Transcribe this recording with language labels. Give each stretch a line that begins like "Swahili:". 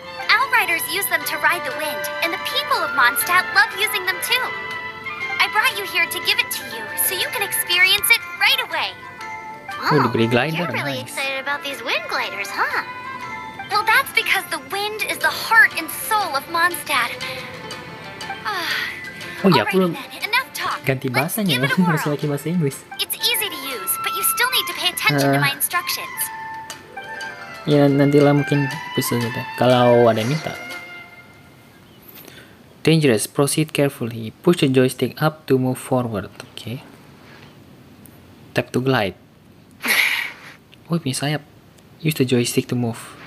English: Outriders use them to ride the wind, and the people of Mondstadt love using them too. I brought you here to give it to you so you can experience it right away.
Indonesian: Oh, wow, diberi glider.
English: You're really excited about these wind gliders, huh? Well, that's because the wind is the heart and soul of Mondstadt.
Indonesian: Oh ya, belum.
English: Enough talk.
Indonesian: Ganti bahasanya, harus lagi bahasa Inggris.
English: It's easy to use, but you still need to pay attention to my instructions.
Indonesian: Ya, nantilah mungkin bisa juga. Kalau ada yang minta.
English: Dangerous. Proceed carefully. Push the joystick up to move forward. Okay. Tap to glide.
Indonesian: Wih, punya sayap.
English: Use the joystick to move.